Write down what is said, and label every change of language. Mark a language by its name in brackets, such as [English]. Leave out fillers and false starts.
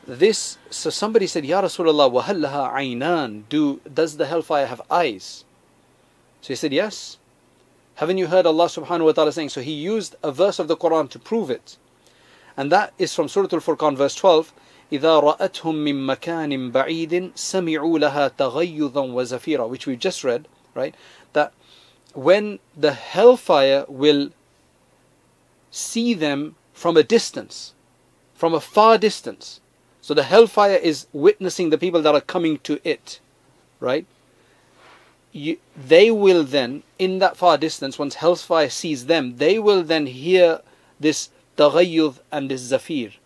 [English] So somebody said, [Arabic] Ya Rasulullah, wa hal laha aynan? [English] Does the hellfire have eyes? So he said, yes. Haven't you heard Allah subhanahu wa ta'ala saying? So he used a verse of the Quran to prove it. And that is from Surah Al-Furqan, verse 12. [Arabic] إِذَا رَأَتْهُمْ مِنْ مَكَانٍ بَعِيدٍ سَمِعُوا لَهَا تَغَيُّضًا وَزَفِيرًا, [English] which we just read, right? That when the hellfire will see them from a distance, from a far distance. So the hellfire is witnessing the people that are coming to it, right? They will then, in that far distance, once hellfire sees them, they will then hear this تَغَيُّض and this zafir.